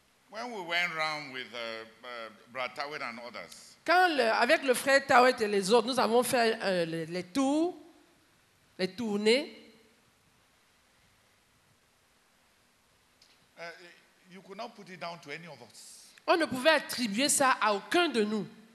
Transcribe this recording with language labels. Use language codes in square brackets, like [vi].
[en] When we went round with Brother Tawet and others. [fr] Quand avec le frère Tawet et les autres, nous avons fait les tours, les tournées. [en] You could not put it down to any of us. [fr] On ne pouvait attribuer ça à aucun de nous.